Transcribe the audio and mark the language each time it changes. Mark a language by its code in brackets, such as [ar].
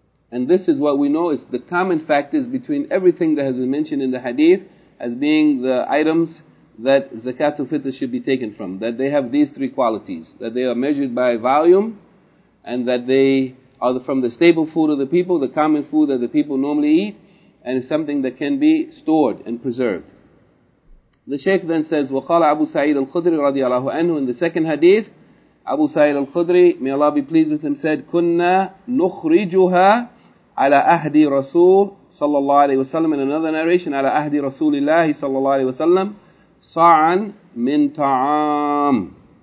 [en] And this is what we know is the common factors between everything that has been mentioned in the hadith as being the items that zakat al-fitr should be taken from, that they have these three qualities, that they are measured by volume, and that they are from the staple food of the people, the common food that the people normally eat, and is something that can be stored and preserved. The Shaykh then says, [ar] وَقَالَ أَبُو سَعِيدُ الْخُدْرِ رَضِيَ اللَّهُ عَنْهُ. [en] In the second hadith, Abu Sa'id al-Khudri, may Allah be pleased with him, said, [ar] كُنَّا نُخْرِجُهَا عَلَى أَهْدِ رَسُولِ صلى الله عليه وسلم. [en] In another narration, [ar] عَلَى أَهْدِ رَسُولِ اللَّهِ صلى الله عليه وسلم sa'an min ta'am,